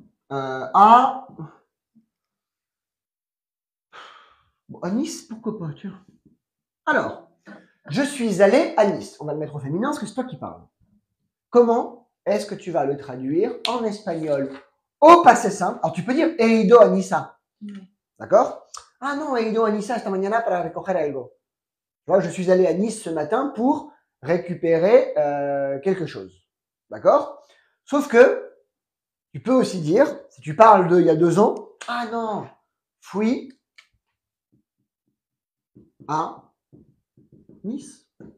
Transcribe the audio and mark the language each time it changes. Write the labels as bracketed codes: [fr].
[fr] À Nice, pourquoi pas, tu vois. Alors, Je suis allé à Nice. On va le mettre au féminin parce que c'est toi qui parles. Comment est-ce que tu vas le traduire en espagnol au passé simple? Alors, tu peux dire « [es] he ido a Nice ». [fr] D'accord? Ah non, [es] he ido a Nice esta mañana para recoger algo. [fr] Moi, je suis allé à Nice ce matin pour récupérer quelque chose. D'accord? Sauf que tu peux aussi dire, si tu parles d'il y a deux ans, ah non, [es] fui à Nice.